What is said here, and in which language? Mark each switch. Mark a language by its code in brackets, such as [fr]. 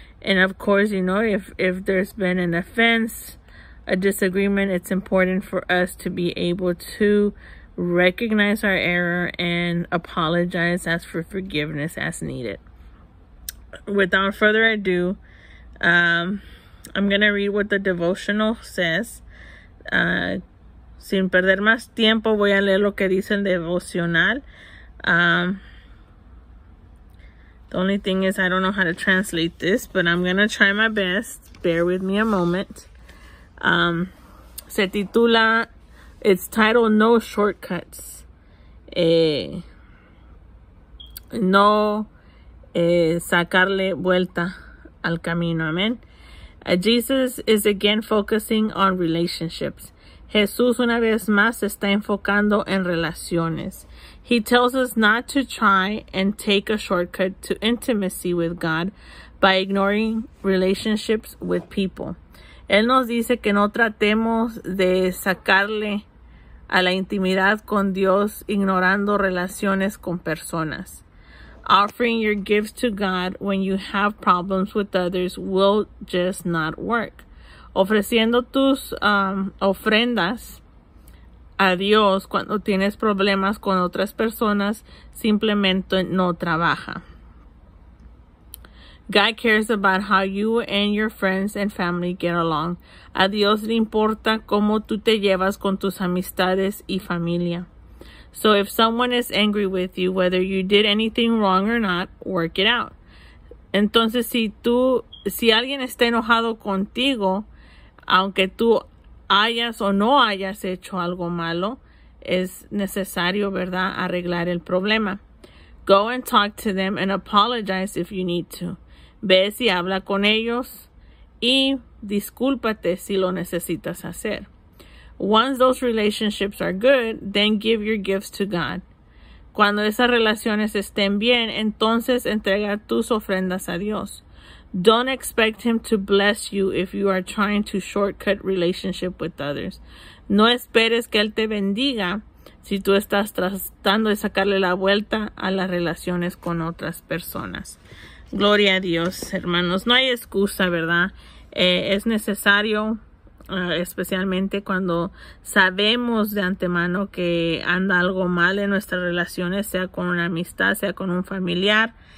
[en] And of course, you know, if there's been an offense, a disagreement, it's important for us to be able to recognize our error and apologize, ask for forgiveness as needed. Without further ado, I'm going to read what the devotional says. [es] Sin perder más tiempo, voy a leer lo que dice el devocional. [en] The only thing is I don't know how to translate this, but I'm going to try my best. Bear with me a moment. [es] Se titula, [en] it's titled No Shortcuts. [es] No sacarle vuelta al camino. Amen. [en] Jesus is again focusing on relationships. [es] Jesús una vez más está enfocando en relaciones. [en] He tells us not to try and take a shortcut to intimacy with God by ignoring relationships with people. [es] Él nos dice que no tratemos de sacarle a la intimidad con Dios ignorando relaciones con personas. [en] Offering your gifts to God when you have problems with others will just not work. [es] Ofreciendo tus ofrendas a Dios cuando tienes problemas con otras personas simplemente no trabaja. [en] God cares about how you and your friends and family get along. [es] A Dios le importa cómo tú te llevas con tus amistades y familia. [en] So if someone is angry with you, whether you did anything wrong or not, work it out. [es] Entonces, si alguien está enojado contigo, aunque tú hayas o no hayas hecho algo malo, es necesario, ¿verdad?, arreglar el problema. [en] Go and talk to them and apologize if you need to. [es] Ve y habla con ellos y discúlpate si lo necesitas hacer. [en] Once those relationships are good, then give your gifts to God. [es] Cuando esas relaciones estén bien, entonces entrega tus ofrendas a Dios. [en] Don't expect Him to bless you if you are trying to shortcut relationship with others. [es] No esperes que Él te bendiga si tú estás tratando de sacarle la vuelta a las relaciones con otras personas. Gloria a Dios, hermanos. No hay excusa, ¿verdad? Es necesario, especialmente cuando sabemos de antemano que anda algo mal en nuestras relaciones, sea con una amistad, sea con un familiar.